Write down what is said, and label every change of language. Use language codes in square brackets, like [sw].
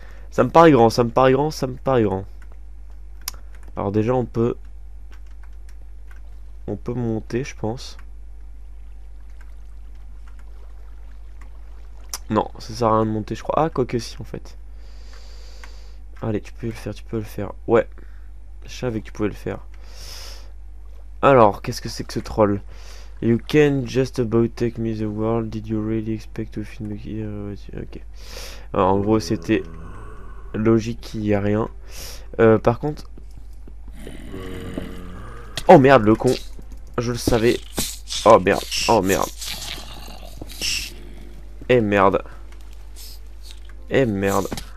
[fr] Ça me paraît grand, ça me paraît grand, ça me paraît grand. Alors déjà, on peut monter, je pense. Non, ça sert à rien de monter, je crois. Ah, quoi que si, en fait. Allez, tu peux le faire, tu peux le faire. Ouais, je savais que tu pouvais le faire. Alors, qu'est-ce que c'est que ce troll? [en] You can just about take me the world. Did you really expect to find me here? Ok. [fr] Alors, en gros, c'était logique qu'il n'y a rien. Par contre... Oh merde, le con. Je le savais. Oh merde. Oh merde. Eh merde. Eh merde.